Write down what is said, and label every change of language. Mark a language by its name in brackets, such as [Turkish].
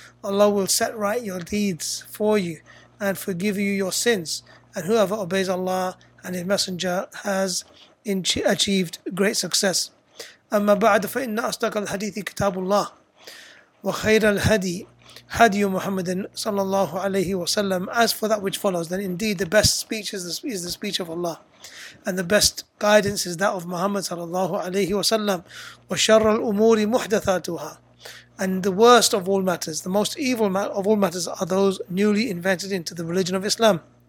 [English] Allah will set right your deeds for you and forgive you your sins, and whoever obeys Allah and His Messenger has achieved great success. [Arabic] أما بعد فإن أصدق الحديث كتاب الله وخير الهدي هدي محمد صلى الله عليه وسلم. [English] As for that which follows, then indeed the best speech is the speech of Allah, and the best guidance is that of Muhammad [Arabic] صلى الله عليه وسلم. وشر الأمور محدثاتها. [English] And the worst of all matters, the most evil of all matters, are those newly invented into the religion of Islam.